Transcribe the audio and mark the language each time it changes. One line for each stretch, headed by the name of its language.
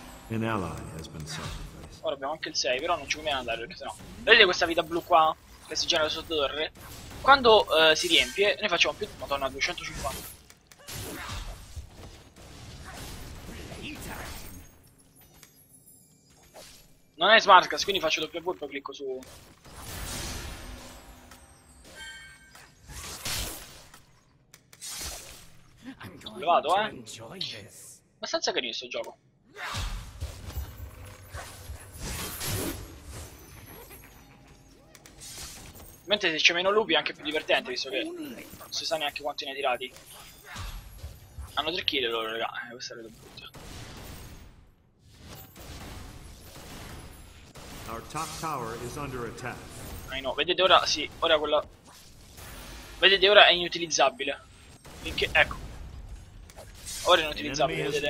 English: An ally has been sacrificed.
Italian: Ora abbiamo anche il 6, però non ci conviene andare perché sennò. Vedete questa vita blu qua? Che si genera sotto torre? Quando si riempie, noi facciamo più. Madonna, 250. Non è Smartcast, quindi faccio doppio W e poi clicco su. Lo vado, abbastanza carino sto gioco. Mentre se c'è meno lupi è anche più divertente, visto che non si sa neanche quanti ne ha tirati. Hanno 3 kill loro, raga, questa è la brutta.
English: Our top tower is under attack.
Italian: No, vedete ora, sì, ora quella. Vedete ora è inutilizzabile. Finché, ecco. Ora è inutilizzabile, vedete?